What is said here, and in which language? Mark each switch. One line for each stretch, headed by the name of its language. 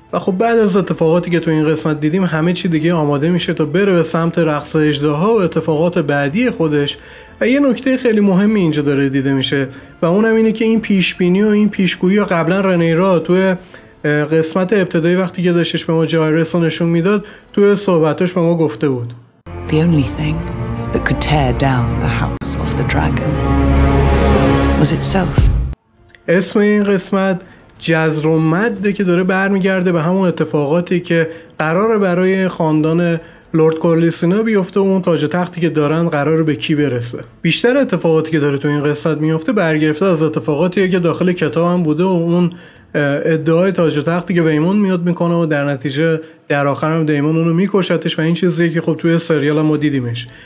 Persian: و خب بعد از اتفاقاتی که تو این قسمت دیدیم همه چی دیگه آماده میشه تا بره به سمت رقص اژدها و اتفاقات بعدی خودش. و یه نکته خیلی مهمی اینجا داره دیده میشه و اونم اینه که این پیشبینی و این پیشگویی قبلا رنیرا تو قسمت ابتدایی وقتی که داشتش به ما جایرس رو نشون میداد تو صحبتش به ما گفته بود.
English: The only thing that could tear down the house of the dragon was itself.
Persian: اسم این قسمت جزر و مده که داره برمیگرده به همون اتفاقاتی که قراره برای خاندان لورد کورلیسینا بیفته و اون تاج و تختی که دارن قراره به کی برسه. بیشتر اتفاقاتی که داره تو این قسمت میفته برگرفته از اتفاقاتی که داخل کتاب هم بوده و اون ادعای تاج و تختی که ویمون میاد میکنه و در نتیجه در آخر هم دیمون اونو میکشتش، و این چیزیه که خب توی سریال هم ما دیدیمش.